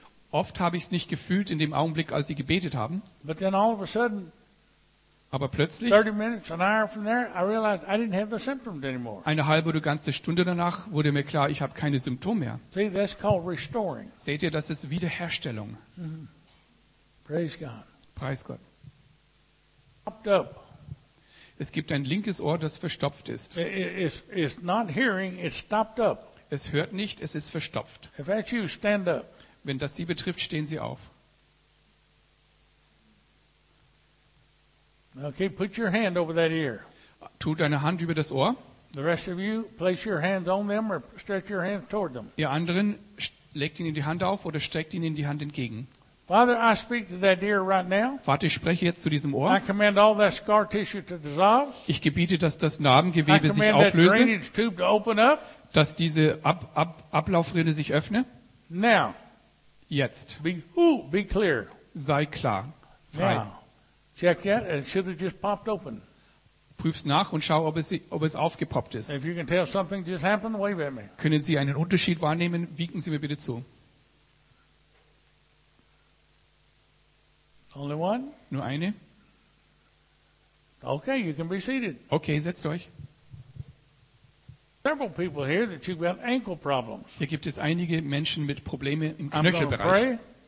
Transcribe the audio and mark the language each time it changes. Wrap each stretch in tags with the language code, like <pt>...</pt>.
<de>Oft habe ich es nicht gefühlt, in dem Augenblick, als sie gebetet haben.</de> <en>But then all of a sudden,</en> <de>aber plötzlich,</de> <en>30 minutes, an hour from there, I realized I didn't have the symptoms anymore.</en> <de>Eine halbe oder ganze Stunde danach wurde mir klar, ich habe keine Symptome mehr.</de> <en>See, that's called restoring.</en> <de>Seht ihr, das ist Wiederherstellung.</de> <en>Mm-hmm. Praise God.</en> <de>Preis Gott.</de> <en>Popped up.</en> <de>Es gibt ein linkes Ohr, das verstopft ist.</de> <en>It's not hearing, it's stopped up.</en> <de>Es hört nicht, es ist verstopft.</de> <en>If that's you, stand up.</en> <de>Wenn das Sie betrifft, stehen Sie auf.</de> <en>Okay, put your hand over that ear.</en> <de>Tut deine Hand über das Ohr.</de> <en>The rest of you, place your hands on them or stretch your hands toward them.</en> <de>Ihr anderen, legt ihnen die Hand auf oder streckt ihnen die Hand entgegen.</de> <en>Father, I speak to that ear right now.</en> <de>Vater, ich spreche jetzt zu diesem Ohr.</de> <en>I command all that scar tissue to dissolve.</en> <de>Ich gebiete, dass das Narbengewebe sich auflöse.</de> <en>I command that drainage tube to open up.</en> <de>Dass diese Ablaufrinne sich öffne.</de> <en>Now.</en> <de>Jetzt.</de> <en>Be clear.</en> <de>Sei klar. Frei.</de> <en>Now. Check that, it should have just popped open.</en> <de>Prüf's nach und schau, ob es aufgepoppt ist.</de> <en>If you can tell something just happened, wave at me.</en> <de>Können Sie einen Unterschied wahrnehmen? Winken Sie mir bitte zu.</de> <en>Only one?</en> <de>Nur eine?</de> <en>Okay, you can be seated.</en> <de>Okay, setzt euch.</de> <en>Several people here that you've got ankle problems.</en> <de>Hier gibt es einige Menschen mit Problemen im Knöchelbereich.</de>